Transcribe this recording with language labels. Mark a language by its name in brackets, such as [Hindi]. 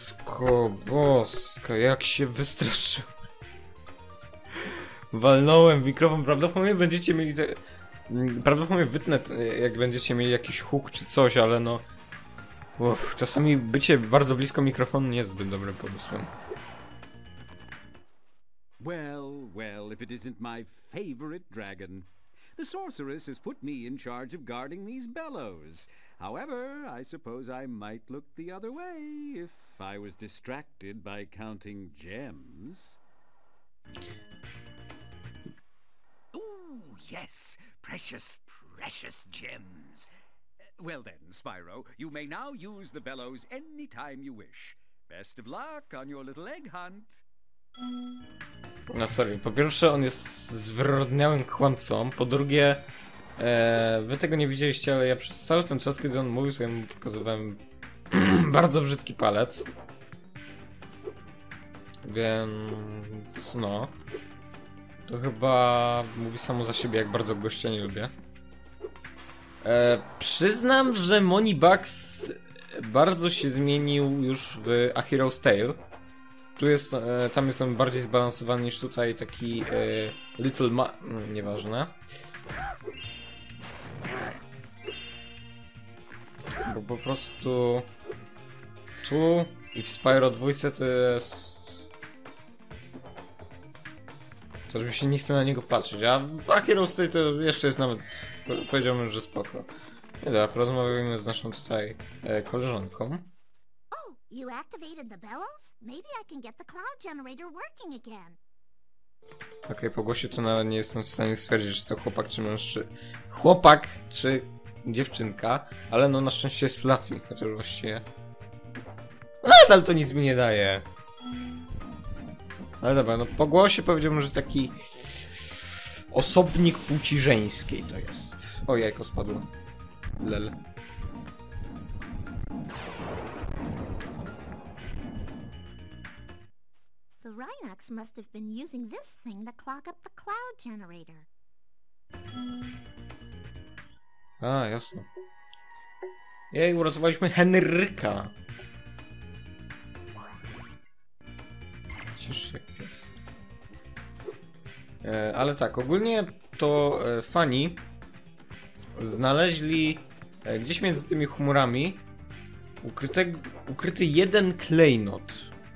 [Polish] Matko boska, jak się wystraszył. Walnąłem w mikrofon, prawdopodobnie będziecie mieli te... Prawdopodobnie wytnę, jak będziecie mieli jakiś huk czy coś, ale no... Uff, czasami bycie bardzo blisko mikrofonu nie jest zbyt dobrym pomysłem. [English] Well, if it isn't my favorite dragon. The sorceress has put me in charge of guarding these bellows. However, I suppose I might look the other way if I was distracted by counting gems. Ooh, yes, precious, precious gems. Well then, Spyro, you may now use the bellows any time you wish. Best of luck on your little egg hunt. [Polish] No sorry, po pierwsze on jest zwyrodniałym kłamcą, po drugie wy tego nie widzieliście, ale ja przez cały ten czas, kiedy on mówił, to ja mu pokazywałem bardzo brzydki palec. Więc no, to chyba mówi samo za siebie, jak bardzo gościa nie lubię. Przyznam, że Moneybugs bardzo się zmienił już w A Hero's Tale. Tu jest, tam jest on bardziej zbalansowany niż tutaj, taki little ma... nieważne. Bo po prostu... Tu i w Spyro 2 to jest... To już mi się nie chce na niego patrzeć, a w A Hero's Tale to jeszcze jest nawet... Powiedziałbym, że spoko. Nie da, porozmawiajmy z naszą tutaj koleżanką. [English] You activated the bellows? Maybe I can get the cloud generator working again. [Polish] Okej, po głosie to nawet nie jestem w stanie stwierdzić, czy to chłopak, czy mężczyzna. Chłopak, czy dziewczynka. Ale no, na szczęście jest Fluffy, chociaż właściwie... Nadal to nic mi nie daje. Ale dobra, no po głosie powiedziałbym, że taki... Osobnik płci żeńskiej to jest. O, jajko spadło. Lel. [English] Rhinox must have been using this thing to clog up the cloud generator. [Polish] A, jasne. Jej, uratowaliśmy Henryka. Cieszę się, jak pies. Ale tak, ogólnie to fani znaleźli gdzieś między tymi chmurami ukryty jeden klejnot.